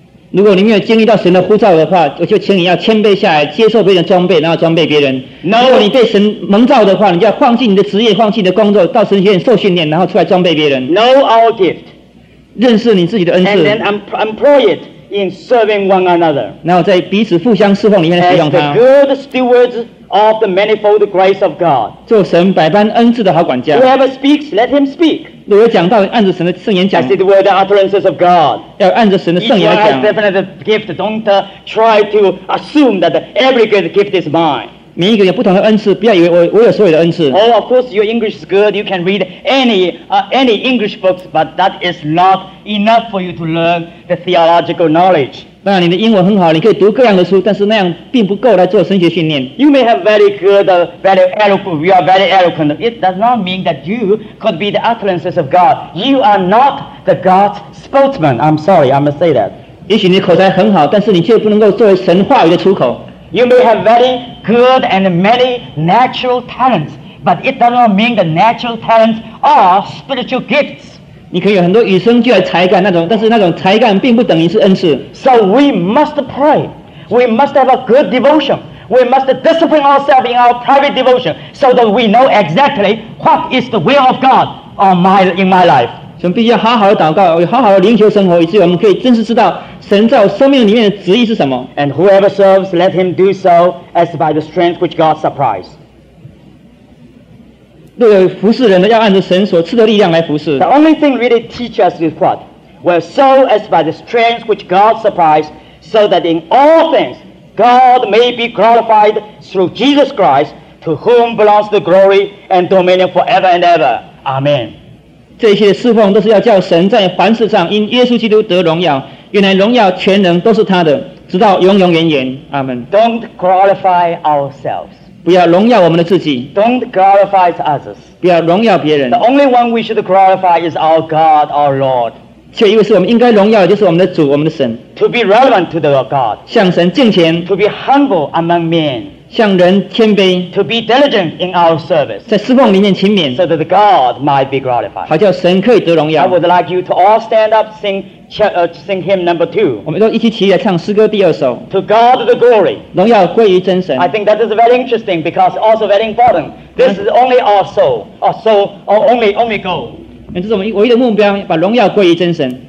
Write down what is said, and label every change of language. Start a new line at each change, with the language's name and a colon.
Chinese: 如果你没有经历到神的呼召的话，我就请你要谦卑下来，接受别人装备，然后装备别人。
English: No.
Chinese: 如果你被神蒙召的话，你就要放弃你的职业，放弃你的工作，到神学院受训练，然后出来装备别人。
English: Know our gift.
Chinese: 认识你自己的恩赐。
English: And then employ it. In serving one another.
Chinese: 然后在彼此互相侍奉里面使用它。
English: As the good stewards of the manifold grace of God.
Chinese: 做神百般恩赐的好管家。
English: Whoever speaks, let him speak.
Chinese: 如果讲道，按着神的圣言讲。
English: As it were the utterances of God.
Chinese: 要按着神的圣言来讲。
English: Each one has definite gift. Don't try to assume that every good gift is mine.
Chinese: 每一个有不同的恩赐，不要以为 我有所有的恩赐。
English: Oh, of course, your English is good. You can read any English books, but that is not enough for you to learn the theological knowledge.
Chinese: 当然，你的英文很好，你可以读各样的书，但是那样并不够来做神学训练。
English: You may have very good, very eloquent. You are very eloquent. It does not mean that you could be the utterances of God. You are not the God's spokesman. I'm sorry, I must say that.
Chinese: 也许你口才很好，但是你却不能够作为神话语的出口。
English: You may have very good and many natural talents, but it does not mean the natural talents are spiritual gifts.
Chinese: 你可以有很多与生俱来才干那种，但是那种才干并不等于是恩赐。
English: So we must pray. We must have a good devotion. We must discipline ourselves in our private devotion so that we know exactly what is the will of God in my life.
Chinese: 所以必须要好好的祷告，有好好的灵修生活，以至于我们可以真实知道神在我生命里面的旨意是什么。
English: And whoever serves, let him do so as by the strength which God supplies.
Chinese: 若有服侍人的，要按着神所赐的力量来服侍。
English: The only thing really teach us is what? Well, so as by the strength which God supplies, so that in all things God may be glorified through Jesus Christ, to whom belongs the glory and dominion forever and ever. Amen.
Chinese: 这些侍奉都是要叫神在凡事上因耶稣基督得荣耀，原来荣耀全能都是他的，直到永永远远。阿们。
English: Don't glorify ourselves.
Chinese: 不要荣耀我们的自己。
English: Don't glorify others.
Chinese: 不要荣耀别人。
English: The only one we should glorify is our God, our Lord.
Chinese: 却一位是我们应该荣耀的，就是我们的主，我们的神。
English: To be relevant to the God.
Chinese: 向神敬虔。
English: To be humble among men.
Chinese: 向人谦卑。
English: To be diligent in our service.
Chinese: 在侍奉里面勤勉。
English: So that God might be glorified.
Chinese: 好叫神可以得荣耀。
English: I would like you to all stand up, singsing hymn number two.
Chinese: 我们都一起起来唱诗歌第二首。
English: To God the glory.
Chinese: 荣耀归于真神。
English: I think that is very interesting because also very important. This is only our soul, our soul, or only goal.
Chinese: 这是我们唯一的目标，把荣耀归于真神。